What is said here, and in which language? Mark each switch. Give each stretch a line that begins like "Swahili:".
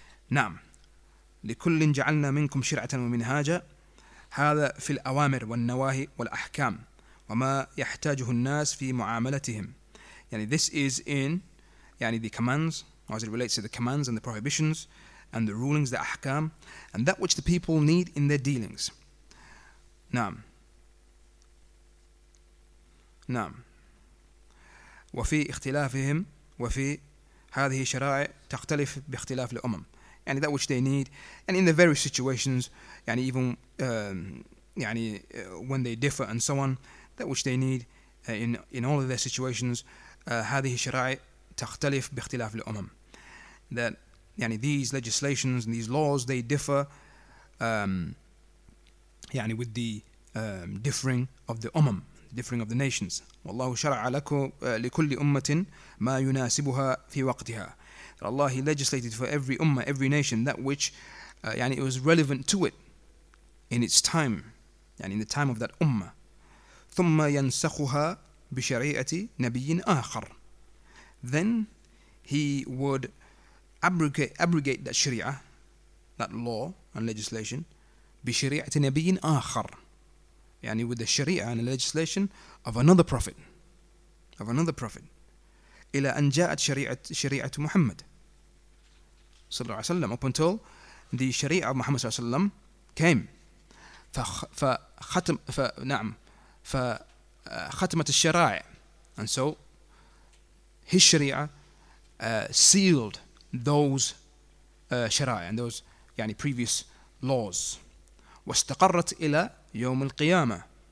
Arabic: نعم, لكل جعلنا منكم شرعة ومنهاجا هذا في الأوامر والنواهي والأحكام وما يحتاجه الناس في معاملتهم.
English: يعني this is in, يعني the commands, as it relates to the commands and the prohibitions and the rulings, the أحكام and that which the people need in their dealings.
Arabic: نعم. نعم وفي اختلافهم وفي هذه شرائع تختلف باختلاف الأمم
English: يعني that which they need and in the various situations يعني even يعني when they differ and so on that which they need in all of their situations
Arabic: هذه شرائع تختلف باختلاف الأمم
English: that يعني these legislations and these laws they differ يعني with the differing of the umam, differing of the nations.
Arabic: والله شرع لكم لكل أمة ما يناسبها في وقتها.
English: Allah, He legislated for every ummah, every nation, that which يعني it was relevant to it in its time, يعني in the time of that ummah.
Arabic: ثم ينسخها بشريعة نبي آخر.
English: Then He would abrogate that sharia, that law and legislation,
Arabic: بشريعة نبي آخر.
English: يعني with the sharia and the legislation of another prophet. Of another prophet.
Arabic: إلى أن جاءت شريعة محمد صلى الله عليه وسلم.
English: Up until the شريعة of Muhammad صلى الله عليه وسلم came.
Arabic: فختم فنعم فختمت الشرائع.
English: And so his sharia sealed those شرائع and those يعني previous laws.
Arabic: واستقرت إلى يوم القيامة.